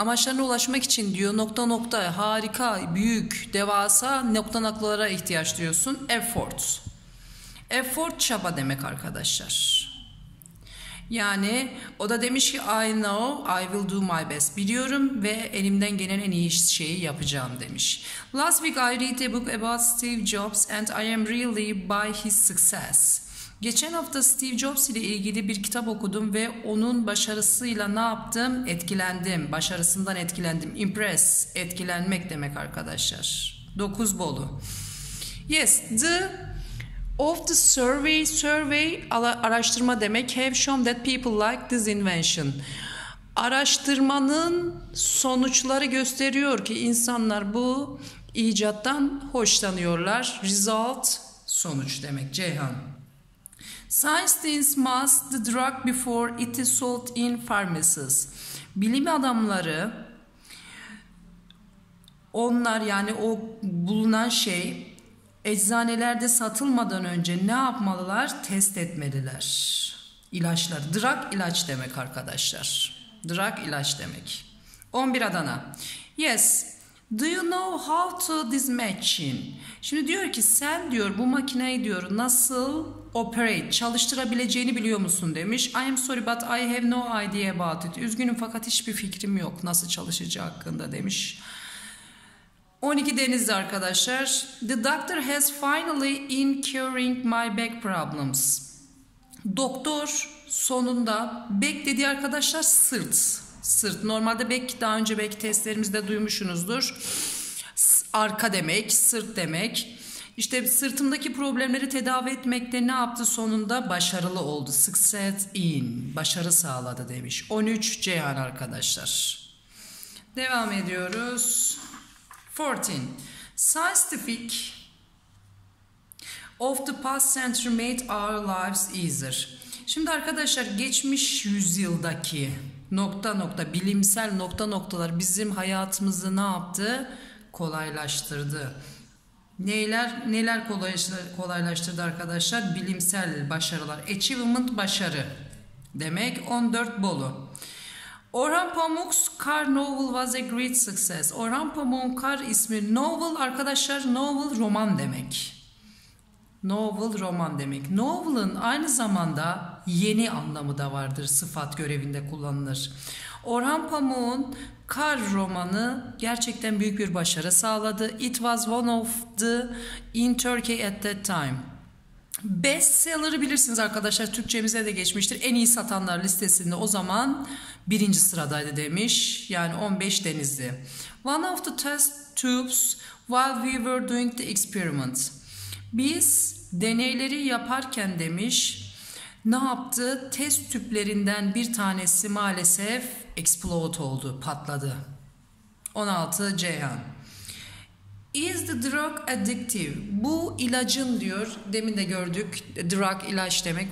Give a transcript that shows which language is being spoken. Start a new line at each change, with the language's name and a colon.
Turkish: Amaçlarına ulaşmak için diyor nokta nokta harika, büyük, devasa nokta noktalara ihtiyaç duyuyorsun. Effort. Effort çaba demek arkadaşlar. Yani o da demiş ki
English: I know, I will do my best.
Turkish: Biliyorum ve elimden gelen en iyi şeyi yapacağım demiş.
English: Last week I read a book about Steve Jobs and I am really by his success.
Turkish: Geçen hafta Steve Jobs ile ilgili bir kitap okudum ve onun başarısıyla ne yaptım? Etkilendim. Başarısından etkilendim. Impress, etkilenmek demek arkadaşlar. 9 bolu.
English: Yes, the of the survey,
Turkish: survey araştırma demek,
English: have shown that people like this invention.
Turkish: Araştırmanın sonuçları gösteriyor ki insanlar bu icattan hoşlanıyorlar. Result, sonuç demek. Ceyhan.
English: Scientists must the drug before it is sold in pharmacies.
Turkish: Bilim adamları, onlar yani o bulunan şey eczanelerde satılmadan önce ne yapmalılar? Test etmeliler. İlaçlar. Drug ilaç demek arkadaşlar. Drug ilaç demek. 11 Adana. Yes.
English: Do you know how to this machine?
Turkish: Şimdi diyor ki sen diyor bu makineyi diyor nasıl operate, çalıştırabileceğini biliyor musun demiş.
English: I am sorry but I have no idea about it.
Turkish: Üzgünüm fakat hiçbir fikrim yok nasıl çalışacağı hakkında demiş. 12 Denizli arkadaşlar.
English: The doctor has finally incurring my back problems.
Turkish: Doktor sonunda back dedi arkadaşlar sırt. Sırt. Normalde back daha önce back testlerimizde duymuşsunuzdur. Arka demek, sırt demek. İşte sırtımdaki problemleri tedavi etmekte ne yaptı sonunda? Başarılı oldu.
English: Success in.
Turkish: Başarı sağladı demiş. 13 Ceyhan arkadaşlar. Devam ediyoruz. 14.
English: Scientific of the past century made our lives easier.
Turkish: Şimdi arkadaşlar geçmiş yüzyıldaki nokta nokta bilimsel nokta noktalar bizim hayatımızı ne yaptı? Kolaylaştırdı. Neler kolaylaştırdı arkadaşlar? Bilimsel başarılar. Achievement başarı demek. 14 bolu.
English: Orhan Pamuk's Car Novel was a great success.
Turkish: Orhan Pamuk'un Car ismi novel arkadaşlar, novel roman demek. Novel roman demek. Novel'ın aynı zamanda yeni anlamı da vardır, sıfat görevinde kullanılır. Orhan Pamuk'un Car romanı gerçekten büyük bir başarı sağladı.
English: It was one of the in Turkey at that time.
Turkish: Bestseller'ı bilirsiniz arkadaşlar, Türkçemize de geçmiştir. En iyi satanlar listesinde o zaman birinci sıradaydı demiş. Yani 15 Denizli.
English: One of the test tubes while we were doing the experiment.
Turkish: Biz deneyleri yaparken demiş ne yaptı? Test tüplerinden bir tanesi maalesef explode oldu, patladı.
English: 16 Ceyhan. Is the drug addictive?
Turkish: Bu ilacın diyor, demin de gördük, drug ilaç demek.